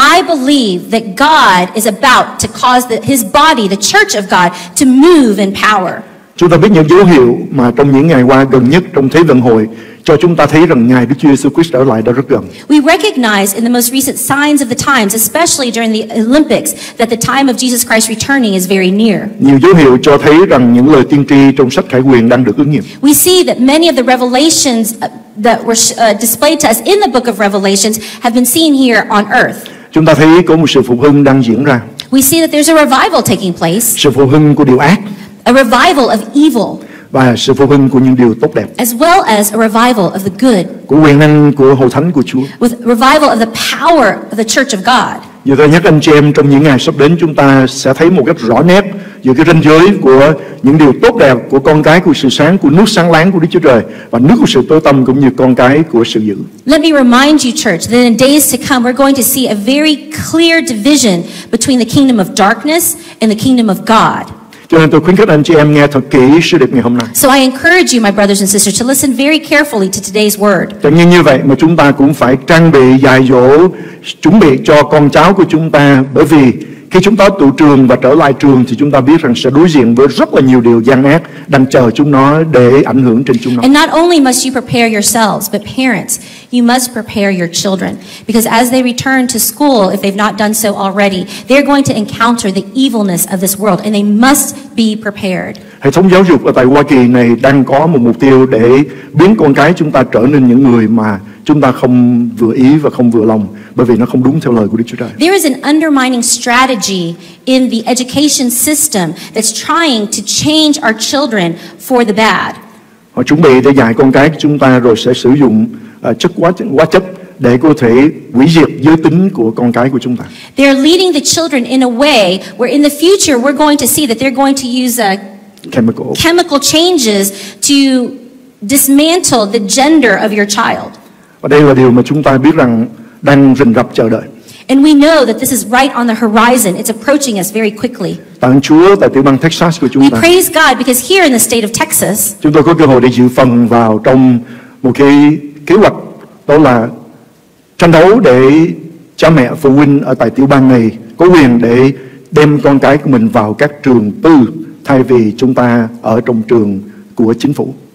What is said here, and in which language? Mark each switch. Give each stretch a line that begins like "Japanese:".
English: I believe that God is about to cause his body, the church of God, to move in power.
Vietnamese: Chúng ta biết những dấu hiệu mà trong những ngày qua gần nhất trong Thế vận hội cho chúng ta thấy rằng Ngài Đức Chúa Jesus Christ trở lại đã rất gần.
English: We recognize in the most recent signs of the times, especially during the Olympics, that the time of Jesus Christ returning is very near.
Vietnamese: Nhiều dấu hiệu cho thấy rằng những lời tiên tri trong sách Khải Huyền đang được ứng nghiệm.
English: We see that many of the revelations that were displayed to us in the book of Revelations have been seen here on earth.
Vietnamese: Chúng ta thấy có một sự phục hưng đang diễn ra.
English: We see that there's a revival taking place.
Vietnamese: Sự phục hưng của điều ác.
English: A revival of evil.
Vietnamese: Và sự phục hưng của những điều tốt đẹp.
English: As well as a revival of the good.
Vietnamese: Của quyền năng của hội thánh của Chúa.
English: With revival of the power of the church of God.
Vietnamese: Như tôi nhắc anh chị em, trong những ngày sắp đến chúng ta sẽ thấy một cách rõ nét giữa cái ranh giới của những điều tốt đẹp của con cái của sự sáng, của nước sáng láng của Đức Chúa Trời và nước của sự tối tăm, cũng như con cái của sự dữ.
English: Let me remind you, church, that in days to come we're going to see a very clear division between the kingdom of darkness and the kingdom of God.
Vietnamese: Cho nên tôi khuyến khích anh chị em nghe thật kỹ sứ điệp ngày hôm nay.
English: So I encourage you, my brothers and sisters, to listen very carefully to today's word.
Vietnamese: Chẳng như vậy mà chúng ta cũng phải trang bị dạy dỗ, chuẩn bị cho con cháu của chúng ta, bởi vì khi chúng ta tụ trường và trở lại trường thì chúng ta biết rằng sẽ đối diện với rất là nhiều điều gian ác đang chờ chúng nó để ảnh hưởng trên chúng nó.
English: And not only must you prepare yourselves, but parents, you must prepare your children, because as they return to school, if they've not done so already, they're going to encounter the evilness of this world, and they must be prepared.
Vietnamese: Hệ thống giáo dục ở tại Hoa Kỳ này đang có một mục tiêu để biến con cái chúng ta trở nên những người mà chúng ta không vừa ý và không vừa lòng, bởi vì nó không đúng theo lời của Đức Chúa Trời.
English: There is an undermining strategy in the education system that's trying to change our children for the bad.
Vietnamese: Họ chuẩn bị để dạy con cái chúng ta rồi sẽ sử dụng chất quá chất để có thể hủy diệt giới tính của con cái của chúng ta.
English: They are leading the children in a way where in the future we're going to see that they're going to use a chemical changes to dismantle the gender of your child. Và đây là điều mà chúng ta biết rằng đang rình rập chờ đợi. And we know that this is right on the horizon. It's approaching us very quickly.
Vietnamese: Tạ Chúa tại tiểu bang Texas của chúng ta.
English: We praise God because here in the state of Texas,
Vietnamese: chúng tôi có cơ hội để dự phần vào trong một cái kế hoạch, đó là tranh đấu để cha mẹ phụ huynh ở tại tiểu bang này có quyền để đem con cái của mình vào các trường tư thay vì chúng ta ở trong trường của chính phủ.